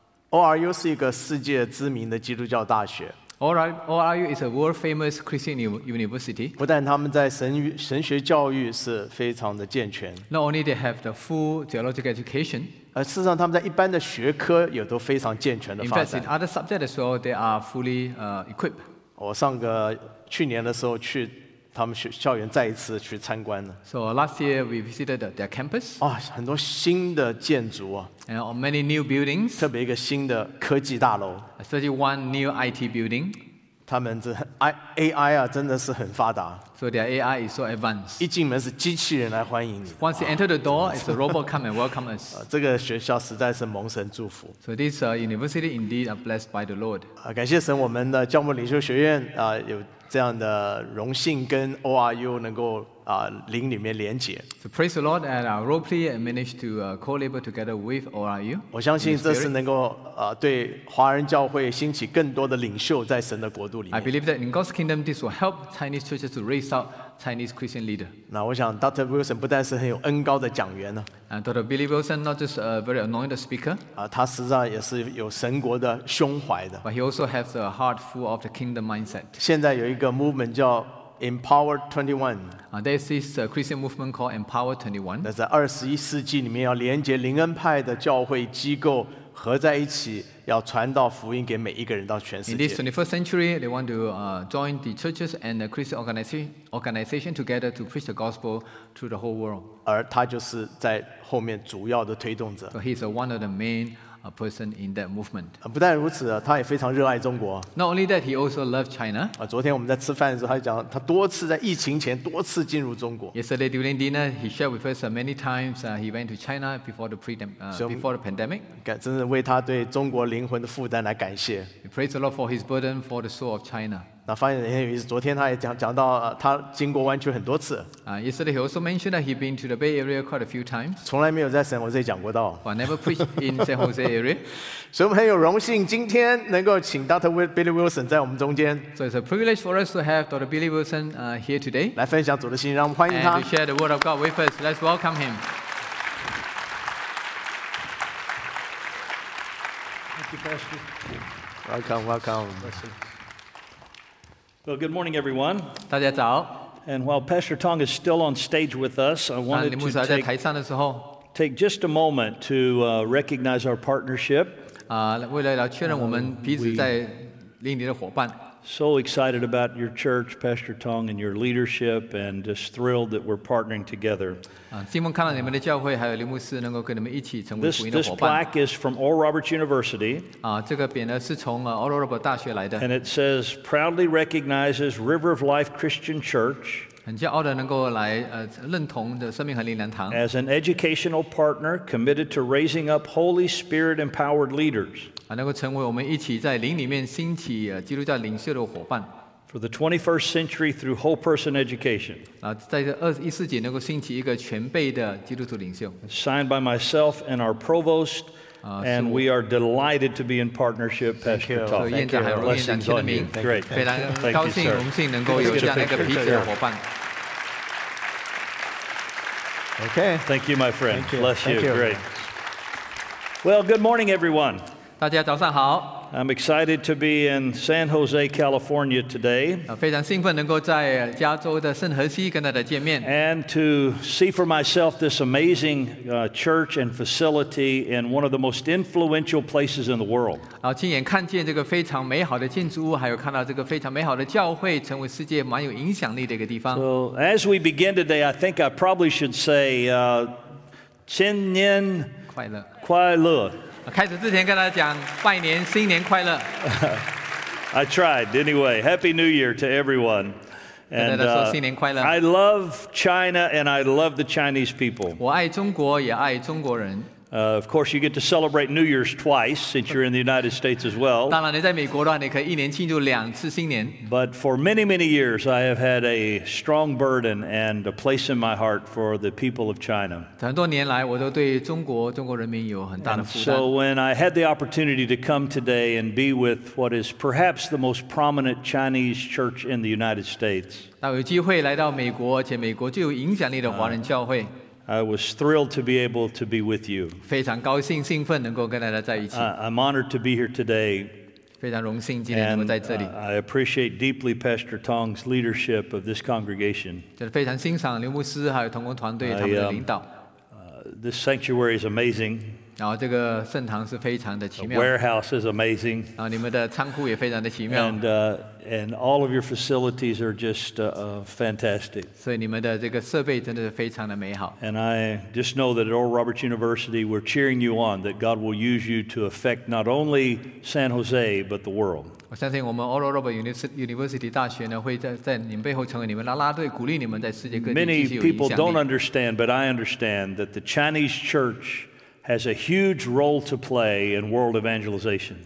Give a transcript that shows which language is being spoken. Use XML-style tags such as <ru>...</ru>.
<zh>ORU 是一个世界知名的基督教大学。</zh> <en>ORU is a world famous Christian university.</en> <zh>不但他们在神学教育是非常的健全。</zh> <en>Not only they have the full theological education.</en> <zh>事实上他们在一般的学科也都非常健全的发展。</zh> <en>In fact, in other subjects as well, they are fully equipped.</en> <zh>我上个去年的时候去他们校园再一次去参观了。</zh> <en>So last year we visited their campus.</en> <zh>很多新的建筑啊。</zh> <en>And many new buildings.</en> <zh>特别一个新的科技大楼。</zh> <en>Especially one new IT building.</en> <zh>他们这 AI 啊真的是很发达。</zh> <en>So their AI is so advanced.</en> <zh>一进门是机器人来欢迎你。</zh> <en>Once you enter the door, it's a robot come and welcome us.</en> <zh>这个学校实在是蒙神祝福。</zh> <en>So this university indeed are blessed by the Lord.</en> <zh>感谢神，我们的教牧领袖学院啊有。这样的荣幸跟 ORU 能够灵里面连结。</zh> <en>So praise the Lord and our role play and manage to co-labor together with ORU.</en> <zh>我相信这是能够对华人教会兴起更多的领袖在神的国度里面。</zh> <en>I believe that in God's kingdom, this will help Chinese churches to raise up Chinese Christian leader.</en> <zh>那我想 Dr. Wilson 不但是很有恩高的讲员呢。</zh> <en>And Dr. Billy Wilson not just a very anointed speaker.</en> <zh>他实际上也是有神国的胸怀的。</zh> <en>But he also has a heart full of the kingdom mindset.</en> <zh>现在有一个 movement 叫 Empower 21.</zh> <en>There's this Christian movement called Empower 21.</en> <zh>那在二十一世纪里面要连接灵恩派的教会机构合在一起，要传道福音给每一个人到全世界。</zh> <en>In this 21st century, they want to join the churches and the Christian organization together to preach the gospel to the whole world.</en> <zh>而他就是在后面主要的推动者。</zh> <en>So he's one of the main person in that movement.</en> <zh>不但如此，他也非常热爱中国。</zh> <en>Not only that, he also loves China.</en> <zh>昨天我们在吃饭的时候，他讲他多次在疫情前多次进入中国。</zh> <en>Yesterday during dinner, he shared with us many times he went to China before the pandemic.</en> <zh>真的为他对中国灵魂的负担来感谢。</zh> <en>He prays a lot for his burden for the soul of China.</en> <zh>那发现很有意思，昨天他也讲到他经过湾区很多次。</zh> <en>Yesterday he also mentioned that he'd been to the Bay Area quite a few times.</en> <zh>从来没有在 San Jose 讲过道。</zh> <en>But never preached in San Jose area.</en> <zh>所以我们很有荣幸今天能够请 Dr. Billy Wilson 在我们中间。</zh> <en>So it's a privilege for us to have Dr. Billy Wilson here today.</en> <zh>来分享主的信息，让我们欢迎他。</zh> <en>And to share the word of God with us. Let's welcome him. Thank you, Pastor. Welcome, welcome. Well, good morning, everyone.</en> <zh>大家早。</zh> <en>And while Pastor Tong is still on stage with us, I wanted to take just a moment to recognize our partnership.</en> <zh>为了确认我们彼此在灵里的伙伴。</zh> <en>So excited about your church, Pastor Tong, and your leadership, and just thrilled that we're partnering together.</en> <zh>希望看到你们的教会还有林牧师能够跟你们一起成为福音的伙伴。</zh> <en>This plaque is from Oral Roberts University.</en> <zh>这个匾呢是从Oral Roberts大学来的。</zh> <en>And it says proudly recognizes River of Life Christian Church.</en> <zh>很骄傲的能够来认同的生命和灵粮堂。</zh> <en>As an educational partner committed to raising up Holy Spirit empowered leaders.</en> <zh>能够成为我们一起在灵里面兴起基督教领袖的伙伴。</zh> <en>For the 21st century through whole person education.</en> <zh>在这二十一世纪能够兴起一个全辈的基督徒领袖。</zh> <en>Signed by myself and our provost, and we are delighted to be in partnership, Pastor Tong. Thank you. Blessings on you. Great.</en> <zh>非常高兴、荣幸能够有这样一个彼此的伙伴。</zh> <en>Okay. Thank you, my friend. Thank you. Bless you. Thank you. Great. Well, good morning, everyone.</en> <zh>大家早上好。</zh> <en>I'm excited to be in San Jose, California today.</en> <zh>非常兴奋能够在加州的圣何西跟大家见面。</zh> <en>And to see for myself this amazing church and facility in one of the most influential places in the world.</en> <zh>亲眼看见这个非常美好的建筑物，还有看到这个非常美好的教会，成为世界蛮有影响力的一个地方。</zh> <en>So as we begin today, I think I probably should say,</en> <zh>新年快乐，快乐。开始之前跟大家讲拜年新年快乐。</zh> <en>I tried anyway. Happy New Year to everyone.</en> <zh>And 跟大家说新年快乐。</zh> <en>I love China and I love the Chinese people.</en> <zh>我爱中国也爱中国人。</zh> <en>Of course, you get to celebrate New Year's twice since you're in the United States as well.</en> <zh>当然你在美国的话，你可以一年庆祝两次新年。</zh> <en>But for many, many years, I have had a strong burden and a place in my heart for the people of China.</en> <zh>很多年来，我都对中国人民有很大的负担。</zh> <en>And so when I had the opportunity to come today and be with what is perhaps the most prominent Chinese church in the United States.</en> <zh>那有机会来到美国，而且美国最有影响力的华人教会。</zh> <en>I was thrilled to be able to be with you.</en> <zh>非常高兴兴奋能够跟大家在一起。</zh> <en>I'm honored to be here today.</en> <zh>非常荣幸今天能够在这里。</zh> <en>I appreciate deeply Pastor Tong's leadership of this congregation.</en> <zh>就是非常欣赏刘牧师还有同工团队他们的领导。</zh> <en>This sanctuary is amazing.</en> <zh>然后这个圣堂是非常的奇妙。</zh> <en>The warehouse is amazing.</en> <zh>然后你们的仓库也非常的奇妙。</zh> <en>And all of your facilities are just fantastic.</en> <zh>所以你们的这个设备真的是非常的美好。</zh> <en>And I just know that at Oral Roberts University, we're cheering you on, that God will use you to affect not only San Jose, but the world.</en> <zh>我相信我们 Oral Roberts University 大学呢，会在你们背后成为你们拉拉队，鼓励你们在世界各地继续有影响力。</zh> <en>Many people don't understand, but I understand that the Chinese church has a huge role to play in world evangelization.</en>